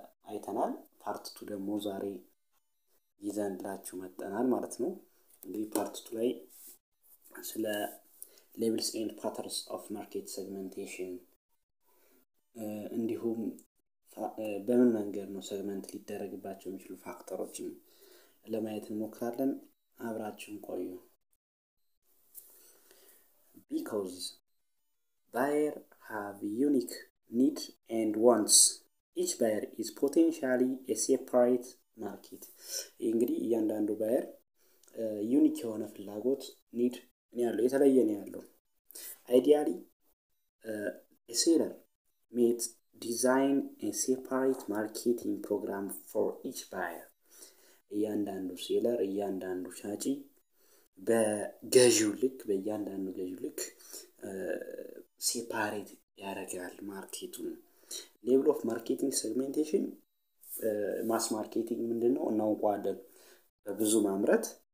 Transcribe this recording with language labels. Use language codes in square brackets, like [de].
[am] አይተናል። ፓርት ቱ ደግሞ ዛሬ ይዘንላችሁ መጠናል ማለት ነው። እንግዲህ ፓርት ቱ ላይ ስለ ሌብልስ ኤንድ ፓተርንስ ኦፍ ማርኬት ሰግመንቴሽን እንዲሁም በምን መንገድ ነው ሰግመንት ሊደረግባቸው የሚችሉ ፋክተሮችን ለማየት እንሞክራለን። አብራችሁን ቆዩ። [en] Because buyer have unique needs and wants. Each buyer is potentially a separate market. [am] እንግዲህ እያንዳንዱ buyer unique የሆነ ፍላጎት need ነው ያለው፣ የተለየ ነው ያለው። [en] Ideally a seller meets design a separate marketing program for each buyer. [am] እያንዳንዱ ሴለር እያንዳንዱ ሻጪ በእያንዳንዱ ገዢው ልክ ሴፓሬት ያደርጋል ማርኬቱን። ሌቭል ኦፍ ማርኬቲንግ ሴግመንቴሽን ማስ ማርኬቲንግ ምንድን ነው እናውቀዋለን። በብዙ ማምረት